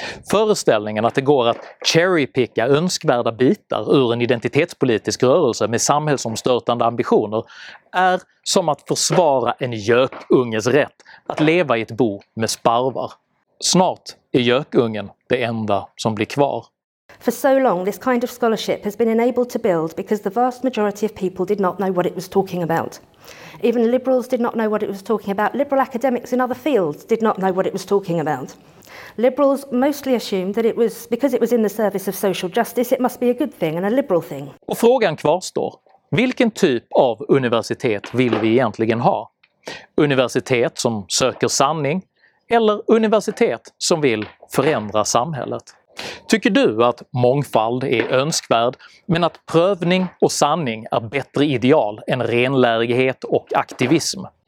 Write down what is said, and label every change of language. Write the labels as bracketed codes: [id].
[sv] Föreställningen att det går att cherrypicka önskvärda bitar ur en identitetspolitisk rörelse med samhällsomstörtande ambitioner är som att försvara en gökunges rätt att leva i ett bo med sparvar. Snart är gökungen det enda som blir kvar. [en] For so long this kind of scholarship has been enabled to build because the vast majority of people did not know what it was talking about. Even liberals did not know what it was talking about. Liberal academics in other fields did not know what it was talking about. Liberals mostly assumed that it was because it was in the service of social justice, it must be a good thing and a liberal thing. [sv] Och frågan kvarstår. Vilken typ av universitet vill vi egentligen ha? Universitet som söker sanning eller universitet som vill förändra samhället? Tycker du att mångfald är önskvärd, men att prövning och sanning är bättre ideal än renlärighet och aktivism?